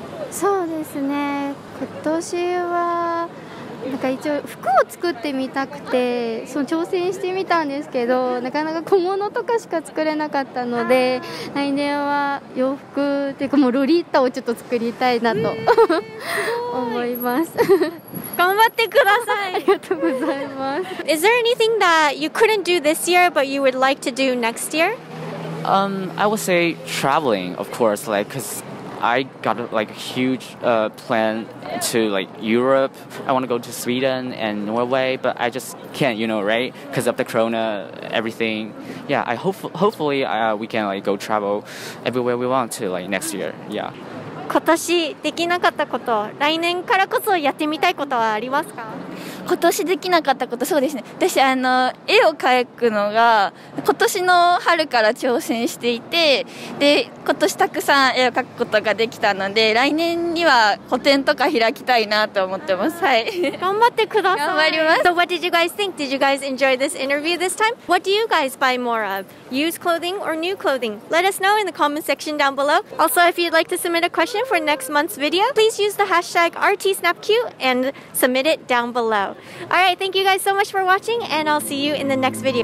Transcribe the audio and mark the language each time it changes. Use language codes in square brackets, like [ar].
[ja] そうですね、今年はなんか一応服を作ってみたくて、その挑戦してみたんですけど、なかなか小物とかしか作れなかったので、来年は洋服っていうか、もうロリータをちょっと作りたいなと、すごい思います。頑張ってください。ありがとうございます。 [en] Is there anything that you couldn't do this year but you would like to do next year? I would say traveling, of course, like, cause I got like a huge plan to like Europe. I want to go to Sweden and Norway, but I just can't, you know, right? Because of the corona, everything. Yeah, I hopefully we can like go travel everywhere we want to like next year. Yeah. [ja] 今年できなかったこと、来年からこそやってみたいことはありますか？今年できなかったこと、そうですね、私絵を描くのが今年の春から挑戦していて、で今年たくさん絵を描くことができたので、来年には個展とか開きたいなと思ってます。はい、頑張ってください。頑張ります。 [en] So what did you guys think? Did you guys enjoy this interview this time? What do you guys buy more of? Used clothing or new clothing? Let us know in the comment section down below. Also, if you'd like to submit a question for next month's video, please use the hashtag RTSnapCute and submit it down below. All right, thank you guys so much for watching, and I'll see you in the next video.